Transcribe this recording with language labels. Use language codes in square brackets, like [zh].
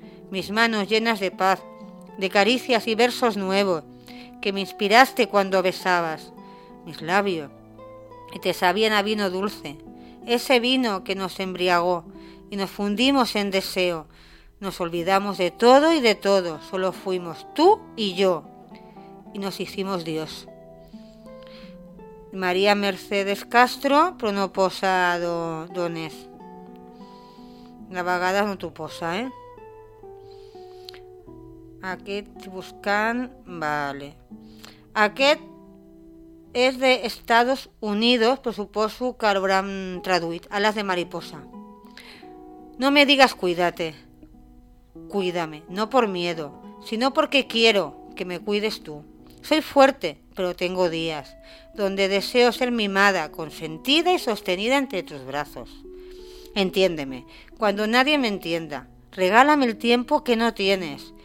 [es] Mis manos llenas de paz, de caricias y versos nuevos que me inspiraste cuando besabas mis labios y te sabían a vino dulce, ese vino que nos embriagó y nos fundimos en deseo. Nos olvidamos de todo y de todo, solo fuimos tú y yo y nos hicimos Dios. [ca] María Mercedes Castro, però no posa d'on és. De vegades no t'ho posa, eh? Aquest buscant... Vale. Aquest és de Estados Unidos, però suposo que l'hauran traduït. [es] Alas de mariposa. No me digas cuídate. Cuídame, no por miedo, sino porque quiero que me cuides tú. Soy fuerte, pero tengo días donde deseo ser mimada, consentida y sostenida entre tus brazos. Entiéndeme, cuando nadie me entienda, regálame el tiempo que no tienes.